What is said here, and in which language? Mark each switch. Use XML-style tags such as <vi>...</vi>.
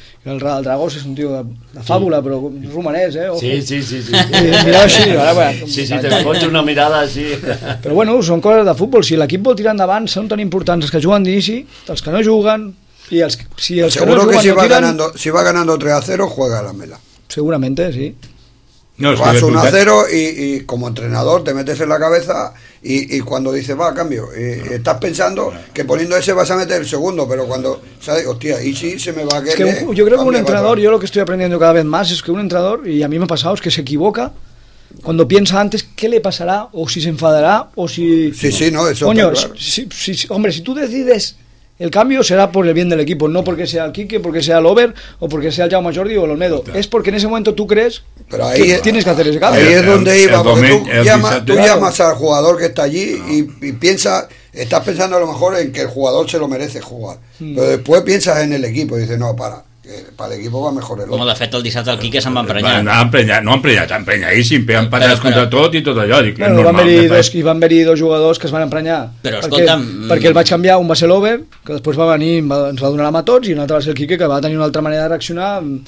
<ca>El Drago és un tio de fàbula, sí. Però romanès, eh? Ojo. Sí, sí, sí. Sí, mirava així. Sí, sí, te'n fots una mirada així. Però bueno, són coses de futbol. Si l'equip vol tirar endavant, són tan importants els que juguen d'inici, els que no juguen, i els, si els que no juguen, que si no tiren...</ca> <es>Ganando, si va ganando 3-0, juega la Mela. Seguramente, sí. No, vas 1-0 y como entrenador te metes en la cabeza y cuando dices va, cambio, y estás pensando que poniendo ese vas a meter el segundo, pero cuando sabes, hostia, y si se me va a querer, es que yo creo que un entrenador, yo lo que estoy aprendiendo cada vez más es que un entrenador, y a mí me ha pasado, es que se equivoca cuando piensa antes qué le pasará o si se enfadará o si sí, no, eso coño, está claro. Si, hombre, si tú decides el cambio será por el bien del equipo, no porque sea el Quique, porque sea el Over, o porque sea el Jaume Jordi o el Olmedo. Claro. Es porque en ese momento tú crees pero ahí que tienes que hacer ese cambio. Ahí es donde iba, el porque tú llamas al jugador que está allí y piensa, estás pensando a lo mejor en que el jugador se lo merece jugar. Pero después piensas en el equipo y dices, no, para. Para el equipo va mejor el otro.</es> <ca>Como de fet el dissabte el Quique se'n va emprenyar. No emprenyadíssim, han parat contra tot i tot allò. Dic, bueno, normal, van venir dos jugadors que es van emprenyar. Però escolta'm... Perquè el vaig canviar, un va ser l'Over, que després va venir i ens va donar la mà a tots, i un altre va ser el Quique, que va tenir una altra manera de reaccionar.</ca>